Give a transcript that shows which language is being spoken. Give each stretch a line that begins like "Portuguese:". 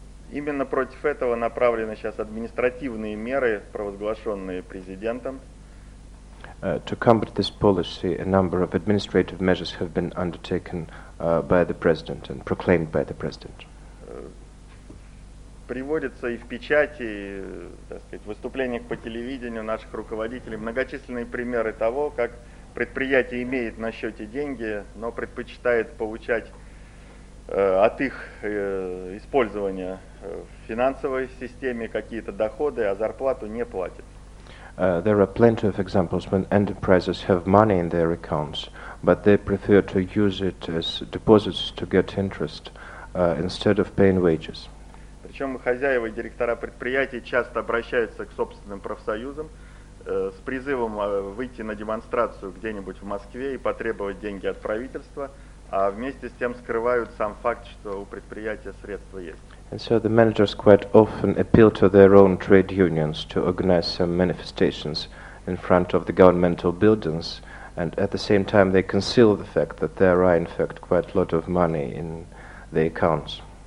Russian: Именно против этого направлены сейчас административные меры, провозглашенные президентом.
English: To combat this policy, a number of administrative measures have been undertaken by the president and proclaimed by the president.
Russian: Приводятся и в печати, и, так сказать, в выступлениях по телевидению наших руководителей многочисленные примеры того, как предприятие имеет на счете деньги, но предпочитает получать от их использования в финансовой системе какие-то доходы, а зарплату не платит.
English: There are plenty of examples when enterprises have money in their accounts, but they prefer to use it as deposits to get interest instead of paying wages.
Russian: Причем хозяева и директора предприятий часто обращаются к собственным профсоюзам с призывом выйти на демонстрацию где-нибудь в Москве и потребовать деньги от правительства, а вместе с тем скрывают сам факт, что у предприятия средства есть.
English: And so the managers quite often appeal to their own trade unions to organize some manifestations in front of the governmental buildings, and at the same time they conceal the fact that there are in fact quite a lot of money in the accounts.